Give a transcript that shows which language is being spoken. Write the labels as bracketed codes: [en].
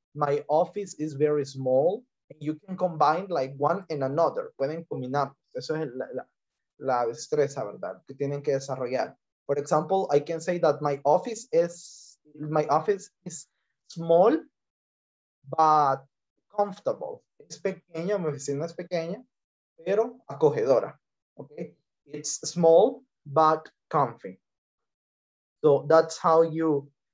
[en] My office is very small. You can combine like one and another. [es] Pueden combinar. Eso es la destreza, ¿verdad? Que tienen que desarrollar. [en] For example, I can say that my office is small, but comfortable. [es] Es pequeña, mi oficina es pequeña, pero acogedora. [en] Okay? It's small, but comfy. So that's how you